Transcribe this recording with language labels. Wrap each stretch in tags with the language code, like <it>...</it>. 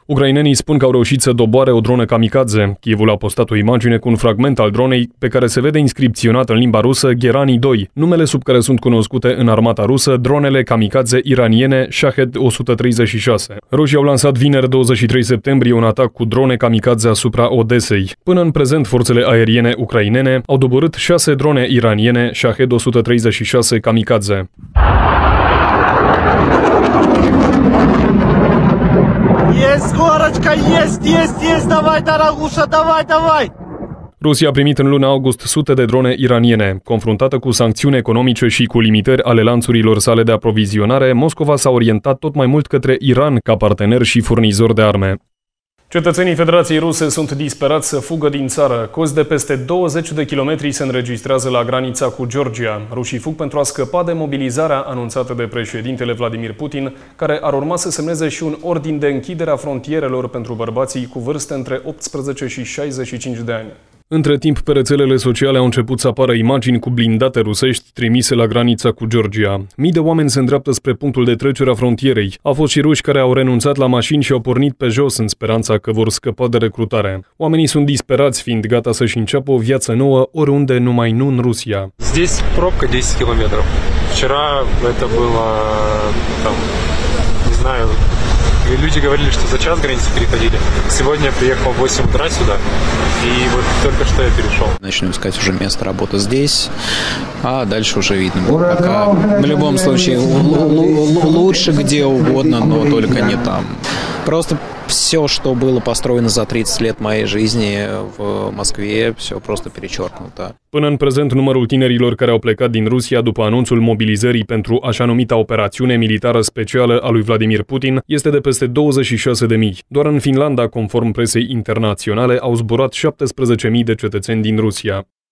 <ro>Ucrainenii spun că au reușit să doboare o dronă kamikaze. Kievul a postat o imagine cu un fragment al dronei pe care se vede inscripționat în limba rusă Gherani 2, numele sub care sunt cunoscute în armata rusă dronele kamikaze iraniene Shahed 136. Rușii au lansat vineri 23 septembrie un atac cu drone kamikaze asupra Odesei. Până în prezent, forțele aeriene ucrainene au doborât 6 drone iraniene Shahed 136 kamikaze.</ro> <ru>Yes, давай, дорогуша, давай!</ru> <ro>Rusia a primit în luna august sute de drone iraniene. Confruntată cu sancțiuni economice și cu limitări ale lanțurilor sale de aprovizionare, Moscova s-a orientat tot mai mult către Iran ca partener și furnizor de arme. Cetățenii Federației Ruse sunt disperați să fugă din țară. Cozi de peste 20 de kilometri se înregistrează la granița cu Georgia. Rușii fug pentru a scăpa de mobilizarea anunțată de președintele Vladimir Putin, care ar urma să semneze și un ordin de închidere a frontierelor pentru bărbații cu vârste între 18 și 65 de ani. Între timp, pe rețelele sociale au început să apară imagini cu blindate rusești trimise la granița cu Georgia. Mii de oameni se îndreaptă spre punctul de trecere a frontierei. Au fost și ruși care au renunțat la mașini și au pornit pe jos în speranța că vor scăpa de recrutare. Oamenii sunt disperați, fiind gata să-și înceapă o viață nouă oriunde, numai nu în Rusia.</ro> <ru>Здесь пробка 10 км. Вчера это было там, не знаю. И люди говорили, что за час границы переходили. Сегодня приехал в 8 утра сюда, и вот только что я перешел. Начну искать уже место работы здесь, а дальше уже видно. Пока, в любом случае, лучше где угодно, но только не там. Просто все, что было построено за 30 лет моей жизни в Москве, все просто перечеркнуто.</ru> <ro>Până în prezent, numărul tinerilor care au plecat din Rusia după anunțul mobilizării pentru așa numita operațiune militară specială a lui Vladimir Putin este de peste 26.000. Doar în Finlanda, conform presei internaționale, au zburat 17.000 de cetățeni din Rusia.</ro>